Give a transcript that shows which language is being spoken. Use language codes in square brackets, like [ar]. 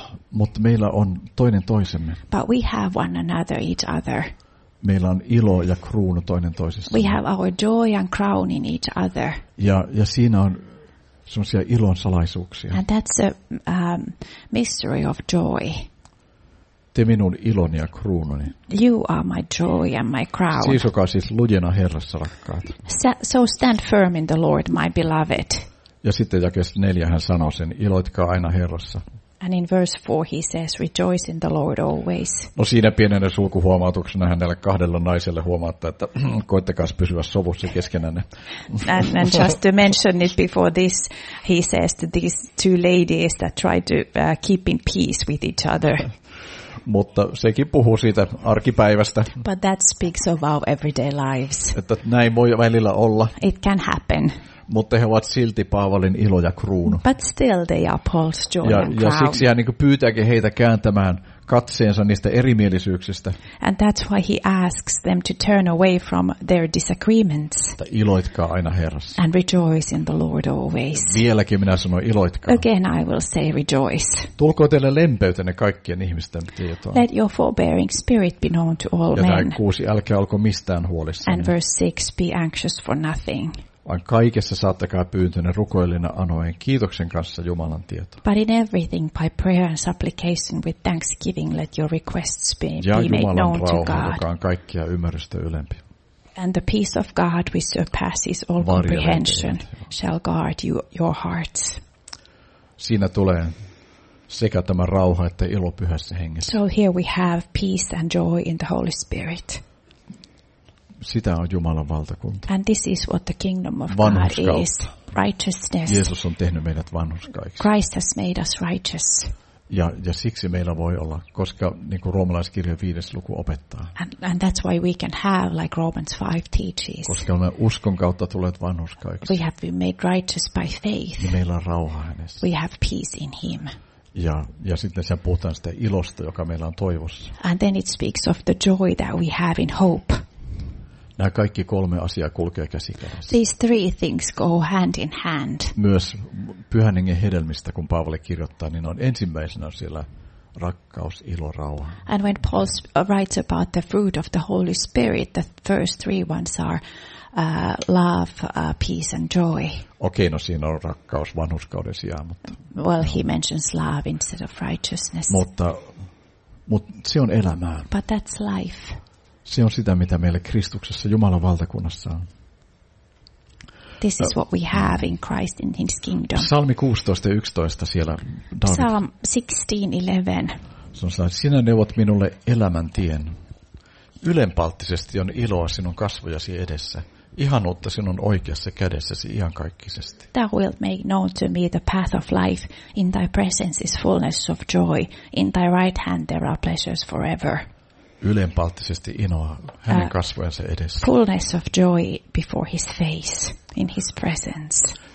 [fi] Mutta meillä on toinen toisemme. [en] But we have one another, each other. [fi] Meillä on ilo ja kruunu toinen toisessa. [en] We have our joy and crown in each other. [fi] Ja siinä on semmoisia ilon salaisuuksia. [en] And that's a mystery of joy. [fi] Te minun iloni ja kruununi. [en] You are my joy and my crown. [fi] Seisokaa siis lujena Herrassa, rakkaat. [en] So stand firm in the Lord, my beloved. [fi] Ja sitten jakeessa 4 hän sanoo sen, iloitkaa aina Herrassa. [en] And in verse 4 he says, rejoice in the Lord always. [fi] No siinä pienenä sulkuhuomautuksena hän näille kahdella naiselle huomauttaa, että koittakaas pysyä sovussa keskenänne. [en] And just to mention it before this, he says to these two ladies that try to keep in peace with each other. [fi] Mutta sekin puhuu siitä arkipäivästä. [en] But that speaks of our everyday lives. [fi] Että näin voi välillä olla. [en] It can happen. [fi] Mutta he ovat silti Paavalin ilo ja kruunu. [en] But still they are Paul's joy and crown. [fi] Ja siksi hän niinku pyytääkin heitä kääntämään katseensa niistä erimielisyyksistä. [en] And that's why he asks them to turn away from their disagreements. [fi] Että iloitkaa aina Herrassa. [en] And rejoice in the Lord always. [fi] Vieläkin minä sanon iloitkaa. [en] Again I will say rejoice. [fi] Tulkoon teille lempeytenne kaikkien ihmisten tietoon. [en] Let your forbearing spirit be known to all [fi] ja [en] men. [fi] Ja 6, älkää olko mistään huolissa. [en] And verse 6, be anxious for nothing. [fi] Vaan kaikessa saattakaa pyyntönne rukoillina anoen kiitoksen kanssa Jumalan tietoon. [en] But in everything by prayer and supplication with thanksgiving let your requests be made known to God. [fi] Ja Jumalan rauha, joka on kaikkia ymmärrystä ylempi. [en] And the peace of God which surpasses all comprehension shall guard you, your hearts. [fi] Siinä tulee sekä tämä rauha että ilo Pyhässä Hengessä. [en] So here we have peace and joy in the Holy Spirit. [fi] Sitä on Jumalan valtakunta. [en] And this is what the kingdom of God is. Righteousness. [fi] Jeesus on tehnyt meidät vanhurskaiksi. [en] Christ has made us righteous. [fi] Ja siksi meillä voi olla, koska niin kuin roomalaiskirja 5. luku opettaa. [en] And that's why we can have, like Romans 5 teaches. [fi] Koska me uskon kautta tulet vanhurskaiksi. [en] We have been made righteous by faith. [fi] Niin meillä on rauha hänessä. [en] We have peace in him. [fi] Ja sitten siellä puhutaan sitä ilosta, joka meillä on toivossa. [en] And then it speaks of the joy that we have in hope. [fi] Nämä kaikki kolme asiaa kulkee käsi kädessä. [en] These three things go hand in hand. [fi] Myös Pyhän Hengen hedelmistä, kun Paavali kirjoittaa, niin on ensimmäisenä siellä rakkaus, ilo, rauha. [en] And when Paul writes about the fruit of the Holy Spirit, the first three ones are love, peace and joy. [fi] Okei, no siinä on rakkaus vanhurskauden sijaan, mutta... [en] Well, he mentions love instead of righteousness. [fi] Mutta se on elämää. [en] But that's life. [fi] Se on sitä, mitä meille Kristuksessa, Jumalan valtakunnassa on. [en] This is what we have in Christ in his kingdom. [fi] Psalmi 16:11 siellä David. [en] Psalm 16:11. [fi] Se on, sinä neuvot minulle elämän tien. Ylenpalttisesti on iloa sinun kasvojasi edessä. Ihanuutta sinun oikeassa kädessäsi iankaikkisesti. [en] Thou wilt make known to me the path of life. In thy presence is fullness of joy. In thy right hand there are pleasures forever. [fi] Ylenpalttisesti inoa hänen kasvojensa edessä. [en] Fullness of joy before his face, in his presence.